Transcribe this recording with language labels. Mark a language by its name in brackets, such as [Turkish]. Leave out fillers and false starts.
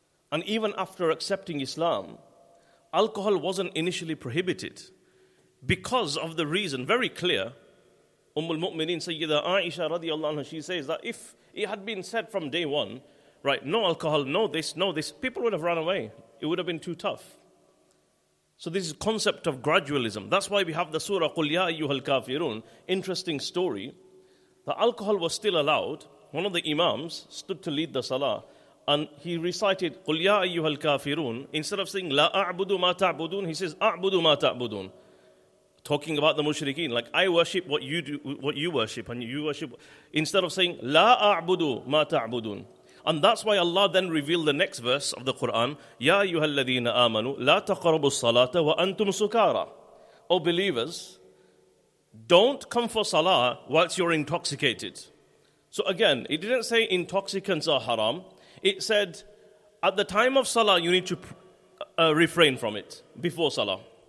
[English] And even after accepting Islam, alcohol wasn't initially prohibited because of the reason, very clear, Ummul Mu'mineen Sayyida Aisha radiallahu anha, she says that if it had been said from day one, right, no alcohol, no this, no this, people would have run away. It would have been too tough. So this is concept of gradualism. That's why we have the surah Qul Ya Ayyuhal Kafirun. Interesting story. The alcohol was still allowed. One of the imams stood to lead the salah. And he recited, [Arabic] قُلْ يَا أَيُّهَا الْكَافِرُونَ. [English] Instead of saying, [Arabic] لَا أَعْبُدُ مَا تَعْبُدُونَ, [English] he says, [Arabic] أَعْبُدُ مَا تَعْبُدُونَ. [English] Talking about the mushrikeen, like, I worship what you do, what you worship, and you worship. Instead of saying, [Arabic] لَا أَعْبُدُ مَا تَعْبُدُونَ. [English] And that's why Allah then revealed the next verse of the Quran, [Arabic] يَا أَيُّهَا الَّذِينَ آمَنُوا لَا تَقَرَبُوا الصَّلَاةَ وَأَنْتُمْ سُكَارَى. [English] O believers, don't come for salah whilst you're intoxicated. So again, it didn't say intoxicants are haram. It said, at the time of salah, you need to refrain from it, before salah.